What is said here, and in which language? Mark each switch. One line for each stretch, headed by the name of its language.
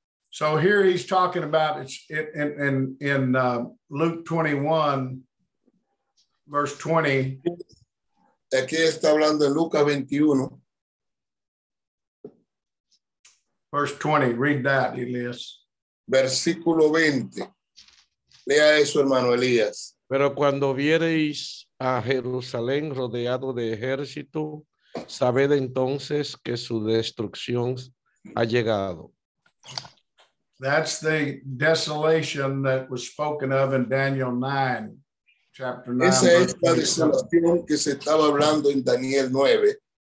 English: So here he's talking about it's in Luke 21, verse 20.
Spanish: Aquí está hablando de Lucas 21.
English: Verse 20, read that, Elias.
Spanish: Versículo 20. Lea eso, hermano Elías. Pero cuando viereis a Jerusalén rodeado de ejército, sabed entonces que su destrucción ha llegado.
English: That's the desolation that was spoken of in Daniel 9, chapter 9.
Spanish: Esa es la desolación que se estaba hablando en Daniel 9.